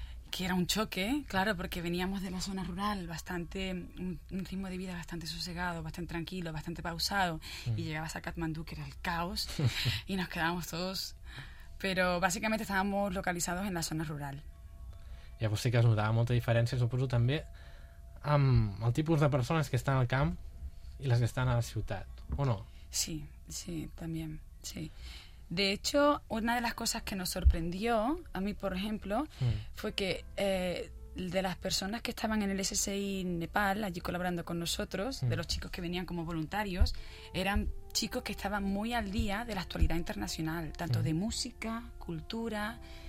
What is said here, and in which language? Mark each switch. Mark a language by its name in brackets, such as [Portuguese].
[Spanish] Que era un choque, claro, porque veníamos de la zona rural, bastante, un ritmo de vida bastante sosegado, bastante tranquilo, bastante pausado, y llegabas a Katmandú, que era el caos, y nos quedábamos todos, pero básicamente estábamos localizados en la zona rural. [Catalan] Ja, pues sí que es notava molta diferència, suposo, també amb el tipus de persones que estan al camp i les que estan a la ciutat, o no? Sí, sí, també, sí. [Spanish] De hecho, una de las cosas que nos sorprendió a mí, por ejemplo, fue que de las personas que estaban en el SSI Nepal, allí colaborando con nosotros, de los chicos que venían como voluntarios, eran chicos que estaban muy al día de la actualidad internacional, tanto de música, cultura,